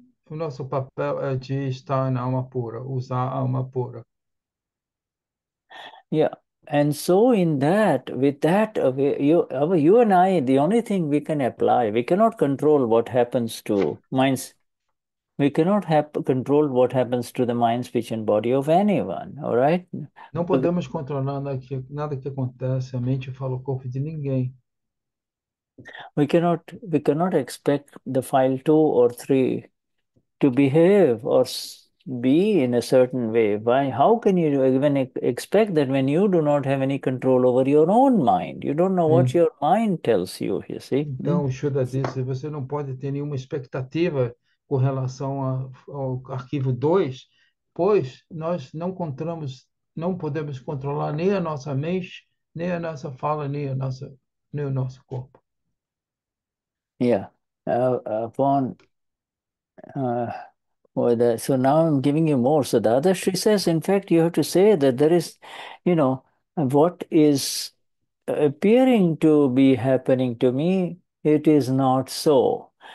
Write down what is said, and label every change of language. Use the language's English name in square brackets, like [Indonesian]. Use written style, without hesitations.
[Portuguese] O nosso papel, é de estar na alma pura, usar a alma pura. [English] And so in that, with that, you and I, the only thing we can apply, we cannot control what happens to minds. We cannot have control what happens to the mind, speech, and body of anyone. All right? [Portuguese] Não podemos controlar nada que acontece, a mente fala o corpo de ninguém. [English] We cannot expect the file two or three to behave or be in a certain way. Why? How can you even expect that when you do not have any control over your own mind? You don't know what your mind tells you see? [Portuguese] Então, o Shuda disse, você não pode ter nenhuma expectativa com relação ao arquivo 2, pois nós não controlamos, não podemos controlar nem a nossa mente, nem a nossa fala, nem o nosso corpo. [English] Upon whether so now I'm giving you more. So the other she says, in fact, you have to say that there is, what is appearing to be happening to me, it is not so.